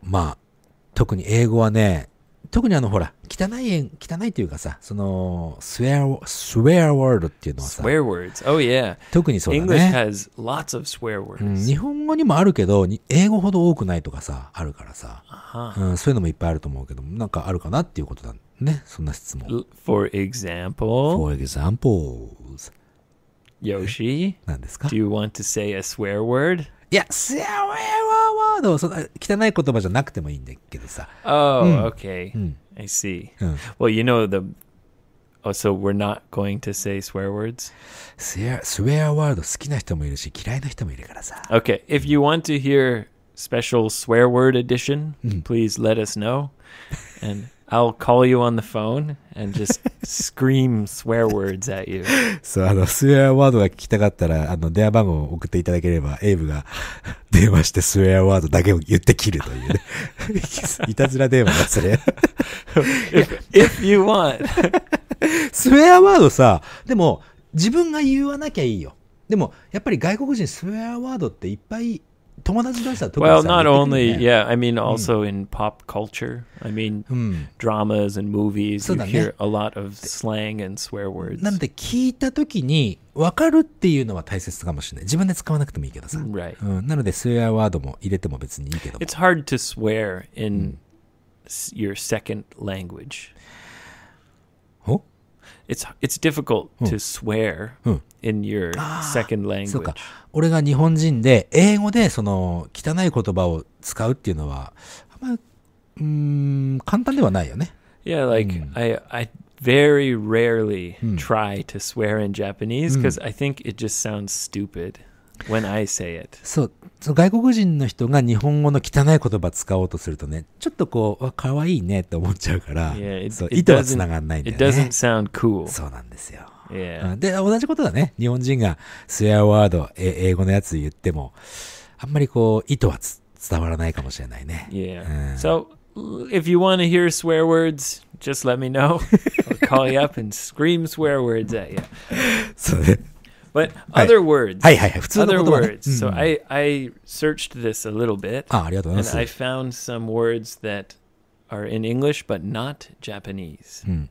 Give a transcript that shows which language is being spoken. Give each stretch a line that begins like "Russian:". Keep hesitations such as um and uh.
Japanese: う、まあ、特に英語はね、特にあのほら、汚い言、汚いっていうかさ、その、swear, swear word っていうのはさ、
English: swear words. Oh yeah.
Japanese: 特にそうだね。
English: English has lots of swear words. うん、日本
Japanese: 語にもあるけど、英語ほど多くないとかさ、あるからさ、uh-huh. うん、そういうのもいっぱいあると思うけど、なんかあるかなっていうことだね、そんな質
English: 問。L- for example? For examples. Yoshi, do you want to say a swear word? Yes. Oh, okay. I see. Well, you know the Oh, so we're not going to say swear words? Swear スウェア、word Okay, if you want to hear special swear word edition, please let us know and I'll call you on the phone and just scream swear words at you.
Japanese: そう、あの、スウェアワードが聞きたかったら、あの、電話番号を送っていただければ、エイブが電話してスウェアワードだけを言って切るという、ね、 いたずら電話がそれ。
English: if, i
Japanese: a n スウェアワードさ、でも、自分が言わなきゃいいよ。でも、やっぱり外国人スウェアワードっていっぱい友達の人は、well, 友達の人は、
English: not only, yeah, I mean, also in pop culture. I mean, um, dramas and movies, you hear a lot of slang and swear words.
Japanese: なんで聞いたときに分かるっていうのは大切かもしれない。自分で使わなくてもいいけどさ。
English: Right.
Japanese: うん、なので、スウェアワードも入れても別にいいけど。
English: It's hard to swear in your second language it's it's difficult to swear うん。うん。in your second language。
Japanese: 俺が日本人で英語でその汚い言葉を使うっていうのは、まあ、うん簡単ではないよね。
English: Yeah, like、うん、I I very rarely try to swear in Japanese because、うん、I think it just sounds stupid.
Japanese: そうその外国人の人が日本語の汚い言葉を使おうとするとねちょっとこうかわいいねって思っちゃうから意図はつながらないんだ、ね
English: cool.
Japanese: そうなんですよ。<Yeah. S 2> うん、で同じことだね日本人がスウェアワードえ英語のやつ言ってもあんまりこう意図は伝わらないかもしれないね。
English: <Yeah. S 2> うん、so if you want t hear swear words just let me know.
Japanese: そうね。
English: But other words. はい。Other words. So I I searched this a little bit. And I found some words that are in English but not Japanese.